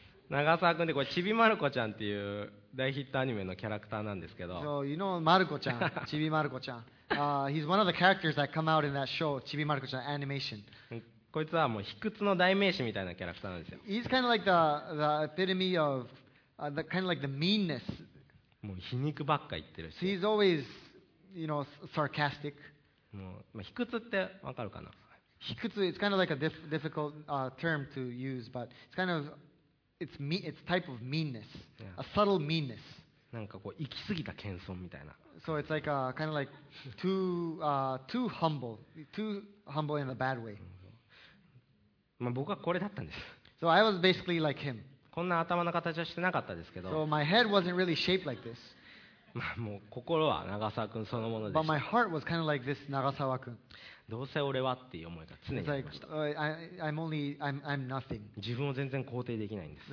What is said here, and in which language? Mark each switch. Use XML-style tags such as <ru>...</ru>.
<ja>長澤君ってこれちびまる子ちゃんっていう大ヒットアニメのキャラクターなんですけど</ja> <en>So you know まる子ちゃんちびまる子ちゃん He's one of the characters that come out in that show ちびまる子ちゃん animation</en> <ja>こいつはもう卑屈の代名詞みたいなキャラクターなんですよ</ja> <en>He's kind of like the epitome of the kind of like the meanness</en> <ja>もう皮肉ばっか言ってるし</ja> <en>He's always sarcastic</en> <ja>もうまあ、卑屈ってわかるかな</ja> <en>卑屈 it's kind of like a difficult term to use but it's kind of it's type of meanness、yeah. a subtle meanness</en> <ja>なんかこう行き過ぎた謙遜みたいな</ja> <en>so it's like a kind of like too humble in a bad way</en> <ja>まあ僕はこれだったんです</ja> <en>so I was basically like him</en> <ja>こんな頭の形はしてなかったですけど</ja> <en>so my head wasn't really shaped like this</en> <ja>もう心は長澤くんそのものでした。</ja> <en>But my heart was kind of like this 長澤くん。</en> <ja>どうせ俺はっていう思いが常にありました。</ja> <en>It's like, I'm nothing.</en> <ja>自分を全然肯定できないんです。</ja>